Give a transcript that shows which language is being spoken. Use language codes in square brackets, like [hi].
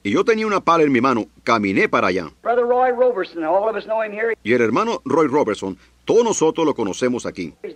[es] y yo tenía una pala en mi mano, caminé para allá. [en] Brother Roy Roberson, all of us know him here. [es] Y el hermano Roy Roberson, todos nosotros lo conocemos aquí.